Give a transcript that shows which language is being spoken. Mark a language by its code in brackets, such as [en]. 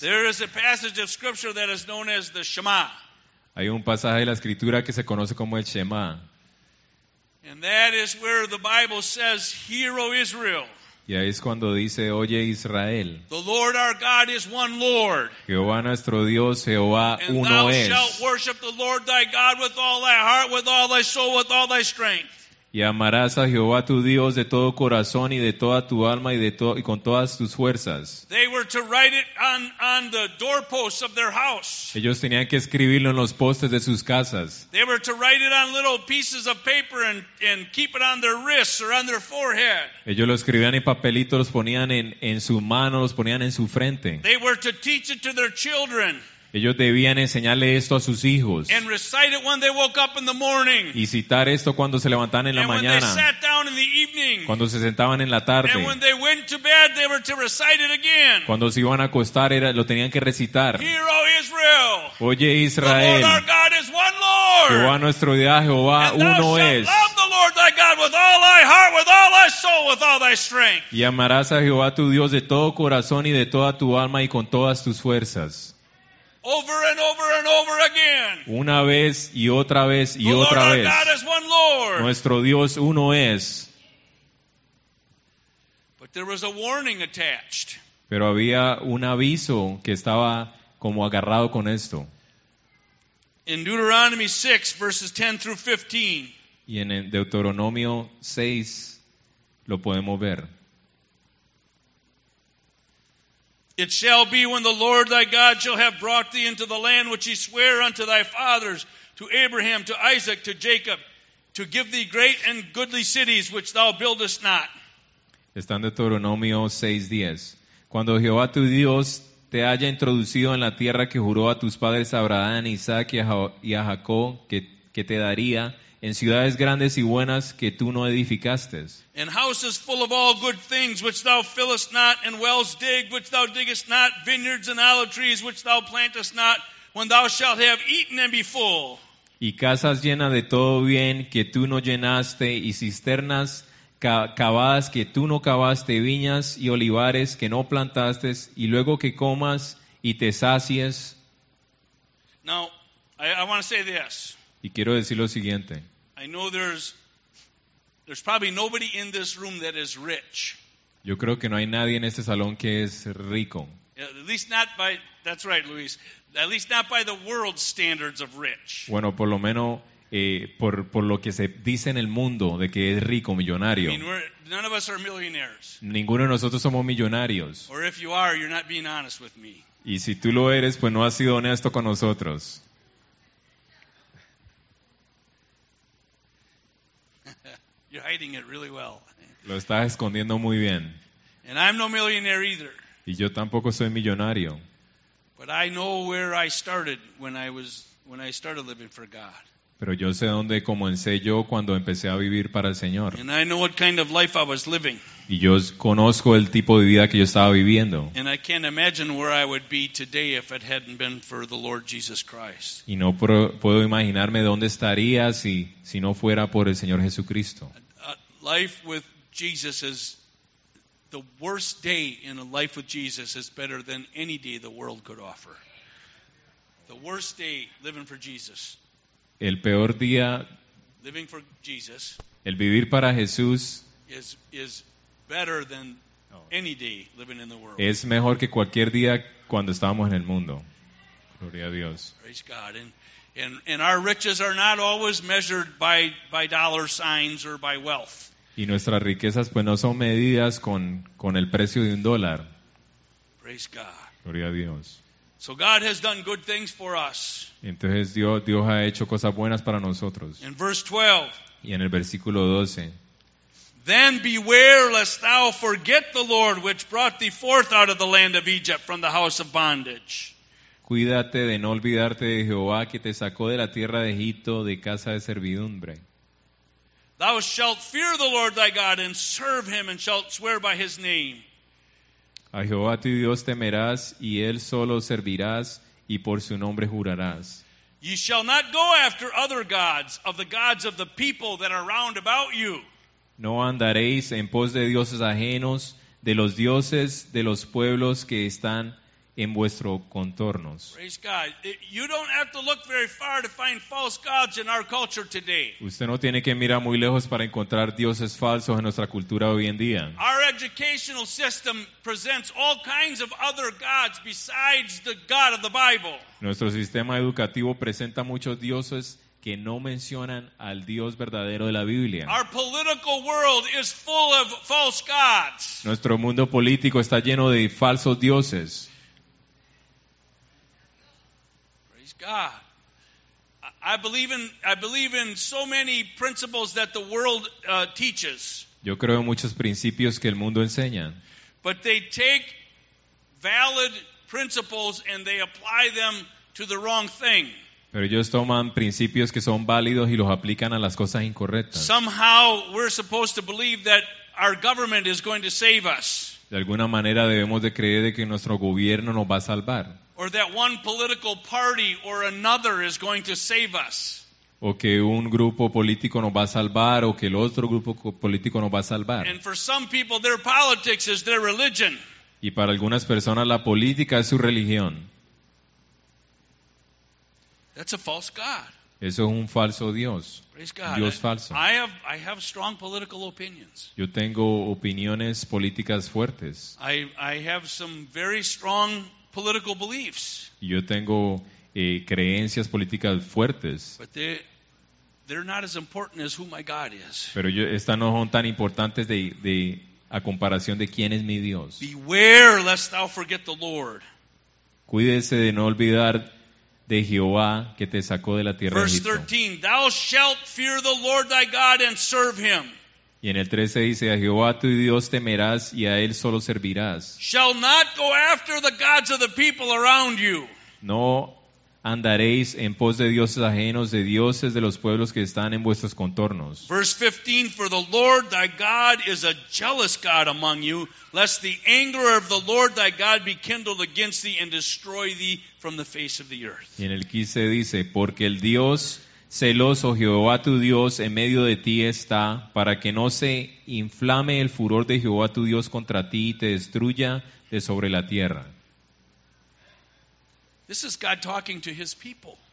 [en] There is a passage of scripture that is known as the Shema. [es] Hay un pasaje de la escritura que se conoce como el Shema. [en] And that is where the Bible says, "Hear, O Israel." [es] Y ahí es cuando dice, "Oye Israel." [en] The Lord our God is one Lord. [es] Jehová nuestro Dios, Jehová uno es. [en] And thou shalt worship the Lord thy God with all thy heart, with all thy soul, with all thy strength. [es] Y amarás a Jehová tu Dios de todo corazón y de toda tu alma y con todas tus fuerzas. [en] They were to write it on the doorposts of their house. [es] Ellos tenían que escribirlo en los postes de sus casas. [en] They were to write it on little pieces of paper and keep it on their wrists or on their forehead. [es] Ellos lo escribían en papelitos, los ponían en su mano, los ponían en su frente. [en] They were to teach it to their children. [es] Ellos debían enseñarle esto a sus hijos. [en] And recite it when they woke up in the morning. [es] Y citar esto cuando se levantaban en la mañana. [en] And when they sat down in the evening. [es] Cuando se sentaban en la tarde. [en] And when they went to bed, they were to recite it again. [es] Cuando se iban a acostar, lo tenían que recitar. [en] Hear, O Israel. [es] Oye Israel. [en] The Lord our God is one Lord. [es] Jehová nuestro Dios, Jehová uno es. [en] And thou shalt love the Lord thy God with all thy heart, with all thy soul, with all thy strength. [es] Y amarás a Jehová tu Dios de todo corazón y de toda tu alma y con todas tus fuerzas. [en] Over and over and over again. [es] Una vez y otra vez y otra vez. [en] The Lord our God is one Lord. [es] Nuestro Dios uno es. [en] But there was a warning attached. [es] Pero había un aviso que estaba como agarrado con esto. [en] In Deuteronomy 6 verses 10 through 15. [es] Y en Deuteronomio 6 lo podemos ver. [en] It shall be when the Lord thy God shall have brought thee into the land which he sware unto thy fathers, to Abraham, to Isaac, to Jacob, to give thee great and goodly cities which thou buildest not. [es] Está en Deuteronomio 6:10. Cuando Jehová tu Dios te haya introducido en la tierra que juró a tus padres Abraham, Isaac y a Jacob que te daría, en ciudades grandes y buenas que tú no edificaste. [en] In houses full of all good things which thou fillest not, and wells digged which thou diggest not, vineyards and olive trees which thou plantest not, when thou shalt have eaten and be full. [es] Y casas llenas de todo bien que tú no llenaste, y cisternas cavadas que tú no cavaste, viñas y olivares que no plantaste, y luego que comas y te sacies. [en] Now, I want to say this. [es] Y quiero decir lo siguiente. [en] I know there's probably nobody in this room that is rich. [es] Yo creo que no hay nadie en este salón que es rico. [en] At least not by, that's right, Luis. At least not by the world standards of rich. [es] Bueno, por lo menos por lo que se dice en el mundo de que es rico, millonario. [en] I mean, none of us are millionaires. [es] Ninguno de nosotros somos millonarios. [en] Or if you are, you're not being honest with me. [es] Y si tú lo eres, pues no has sido honesto con nosotros. [en] You're hiding it really well. [es] Lo estás escondiendo muy bien. [en] And I'm no millionaire either. [es] Y yo tampoco soy millonario. [en] But I know where I started when I started living for God. [es] Pero yo sé dónde comencé yo cuando empecé a vivir para el Señor. [en] And I know what kind of life I was living. [es] Y yo conozco el tipo de vida que yo estaba viviendo. [en] And I can't imagine where I would be today if it hadn't been for the Lord Jesus Christ. [es] Y no puedo imaginarme dónde estaría si no fuera por el Señor Jesucristo. [en] Life with Jesus is the worst day in a life with Jesus is better than any day the world could offer. The worst day living for Jesus. [es] El peor día, [en] living for Jesus, [es] el vivir para Jesús, [en] is better than any day living in the world. [es] Es mejor que cualquier día cuando estábamos en el mundo. Gloria a Dios. [en] Praise God. And our riches are not always measured by dollar signs or by wealth. [es] Y nuestras riquezas pues no son medidas con el precio de un dólar. [en] Praise God. [es] Gloria a Dios. [en] So God has done good things for us. [es] Entonces Dios ha hecho cosas buenas para nosotros. [en] In verse 12. [es] Y en el versículo 12. [en] Then beware lest thou forget the Lord which brought thee forth out of the land of Egypt from the house of bondage. [es] Cuídate de no olvidarte de Jehová que te sacó de la tierra de Egipto de casa de servidumbre. [en] Thou shalt fear the Lord thy God and serve him and shalt swear by his name. [es] A Jehová tu Dios temerás, y él solo servirás, y por su nombre jurarás. [en] Ye shall not go after other gods of the gods of the people that are round about you. [es] No andaréis en pos de dioses ajenos, de los dioses de los pueblos que están en vuestros contornos. [en] Praise God. You don't have to look very far to find false gods in our culture today. [es] Usted no tiene que mirar muy lejos para encontrar dioses falsos en nuestra cultura hoy en día. [en] Our educational system presents all kinds of other gods besides the God of the Bible. [es] Nuestro sistema educativo presenta muchos dioses que no mencionan al Dios verdadero de la Biblia. [en] Our political world is full of false gods. [es] Nuestro mundo político está lleno de falsos dioses. [en] God, I believe in so many principles that the world teaches. [es] Yo creo en muchos principios que el mundo enseña. [en] But they take valid principles and they apply them to the wrong thing. [es] Pero ellos toman principios que son válidos y los aplican a las cosas incorrectas. [en] Somehow we're supposed to believe that our government is going to save us. [es] De alguna manera debemos de creer de que nuestro gobierno nos va a salvar. [en] Or that one political party or another is going to save us. [es] O que un grupo político nos va a salvar, o que el otro grupo político nos va a salvar. [en] And for some people, their politics is their religion. [es] Y para algunas personas la política es su religión. [en] That's a false god. [es] Eso es un falso dios. [en] Praise God. [es] Dios falso. [en] I have strong political opinions. [es] Yo tengo opiniones políticas fuertes. [en] I have some very strong political beliefs. [es] Yo tengo creencias políticas fuertes. [en] But they're not as important as who my God is. [es] Pero estas no son tan importantes de a comparación de quién es mi Dios. [en] Beware lest thou forget the Lord. [es] Cuídese de no olvidar de Jehová que te sacó de la tierra de Egipto. [en] Verse 13, thou shalt fear the Lord thy God and serve him. [es] Y en el 13 dice, a Jehová tu Dios temerás y a él solo servirás. [en] Shall not go after the gods of the people around you. [es] No andaréis en pos de dioses ajenos, de dioses de los pueblos que están en vuestros contornos. [en] Verse 15, for the Lord thy God is a jealous God among you, lest the anger of the Lord thy God be kindled against thee and destroy thee from the face of the earth. [es] Y en el 15 dice, porque el Dios celoso Jehová tu Dios en medio de ti está, para que no se inflame el furor de Jehová tu Dios contra ti y te destruya de sobre la tierra. [en] This is God talking to his people.